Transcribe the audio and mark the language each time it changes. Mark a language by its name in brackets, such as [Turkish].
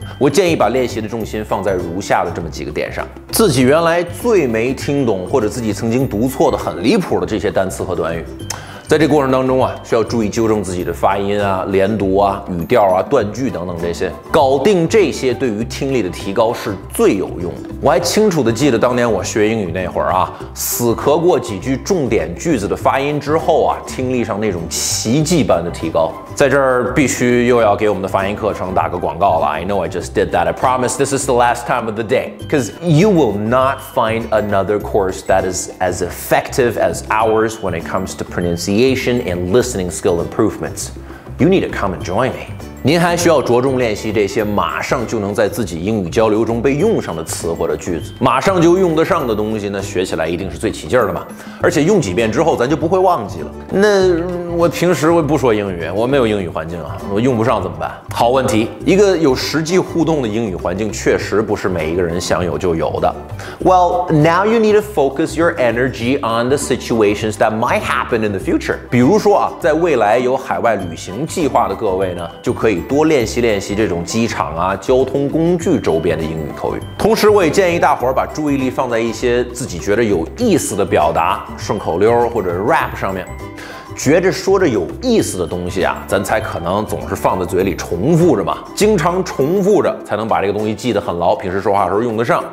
[Chinese] 我建议把练习的重心放在如下的这么几个点上：自己原来最没听懂或者自己曾经读错的很离谱的这些单词和短语，在这过程当中啊，需要注意纠正自己的发音啊、连读啊、语调啊、断句等等这些，搞定这些对于听力的提高是最有用的。我还清楚地记得当年我学英语那会儿啊，死磕过几句重点句子的发音之后啊，听力上那种奇迹般的提高。在这儿必须又要给我们的发音课程打个广告了。 [English] I know I just did that. I promise this is the last time of the day, because you will not find another course that is as effective as ours when it comes to pronunciation and listening skill improvements. You need to come and join me. [Chinese] 您还需要着重练习这些马上就能在自己英语交流中被用上的词或者句子，马上就用得上的东西呢，学起来一定是最起劲的嘛。而且用几遍之后，咱就不会忘记了。那我平时我不说英语，我没有英语环境啊，我用不上怎么办？好问题，一个有实际互动的英语环境确实不是每一个人想有就有的。 [English] Well, now you need to focus your energy on the situations that might happen in the future. [Chinese] 比如说啊，在未来有海外旅行计划的各位呢，就可以多练习练习这种机场啊、交通工具周边的英语口语。同时我也建议大伙儿把注意力放在一些自己觉得有意思的表达、顺口溜或者 rap 上面。觉着说着有意思的东西啊，咱才可能总是放在嘴里重复着嘛，经常重复着才能把这个东西记得很牢，平时说话的时候用得上。